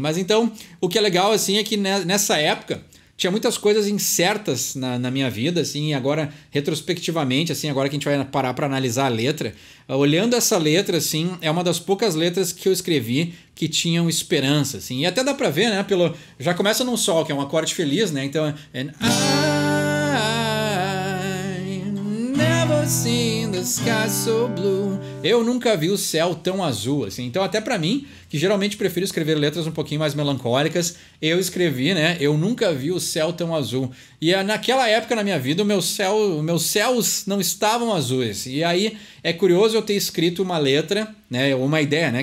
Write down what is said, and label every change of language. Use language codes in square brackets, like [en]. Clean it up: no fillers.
[pt] Mas então, o que é legal, assim, é que nessa época tinha muitas coisas incertas na minha vida, assim, agora, retrospectivamente, assim, agora que a gente vai parar pra analisar a letra, olhando essa letra, assim, é uma das poucas letras que eu escrevi que tinham esperança, assim, e até dá pra ver, né, pelo... Já começa num sol, que é um acorde feliz, né, então... [en] And I never seen the sky so blue. [pt] Eu nunca vi o céu tão azul, assim. Então, até pra mim, que geralmente prefiro escrever letras um pouquinho mais melancólicas, eu escrevi, né? Eu nunca vi o céu tão azul. E naquela época na minha vida, meus céus não estavam azuis. E aí, é curioso eu ter escrito uma letra, né? Uma ideia, né?